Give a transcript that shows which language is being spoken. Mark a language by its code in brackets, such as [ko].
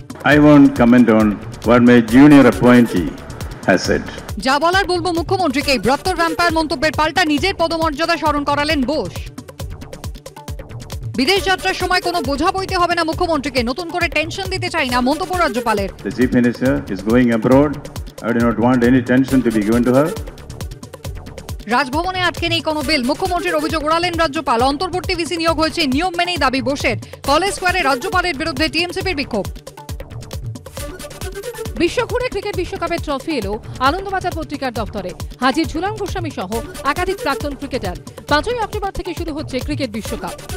[en] I want comment on what my junior appointee has said. [bn] যা বলার বলবো মুখ্যমন্ত্রীকে, বৃহত্তর ভ্যাম্পায়ার মন্তব্যের পাল্টা নিজের পদমর্যাদা স্মরণ করালেন বোস। বিদেশ যাত্রার সময় কোনো বোঝা বইতে হবে না মুখ্যমন্ত্রীকে, নতুন করে টেনশন দিতে চাই না মন্তব্য রাজ্যপালের। [en] The chief minister is going abroad. I do not want any tension to be given to her. [bn] রাজভবনে আটকে নেই কোনো বিল, মুখ্যমন্ত্রীর অভিযোগ উড়ালেন রাজ্যপাল। অন্তর্বর্তী ভিসি নিয়োগ হয়েছে নিয়ম মেনেই দাবি বোসের। কলেজ স্কোয়ারে রাজ্যপালের বিরুদ্ধে টিএমসিপির বিক্ষোভ। বিশ্বঘুরে ক্রিকেট বিশ্বকাপের ট্রফি এলো আনন্দবাজার পত্রিকার দপ্তরে। হাজির ঝুলন গোস্বামী সহ একাধিক প্রাক্তন ক্রিকেটার। 5ই অক্টোবর থেকে শুরু হচ্ছে ক্রিকেট বিশ্বকাপ।